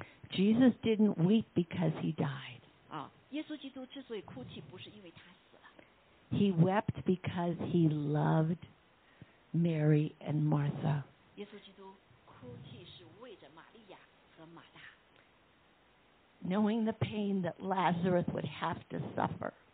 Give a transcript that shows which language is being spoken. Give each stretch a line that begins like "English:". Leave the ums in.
English: Jesus did didn't weep because he died.
Chinese: 啊，耶稣基督之所以哭泣，不是因为他死了。
English: He uh, wept because he loved Mary and Martha.
Chinese: 耶稣基督哭泣是为着玛利亚和马大。
English: Knowing the pain that Lazarus would have to suffer.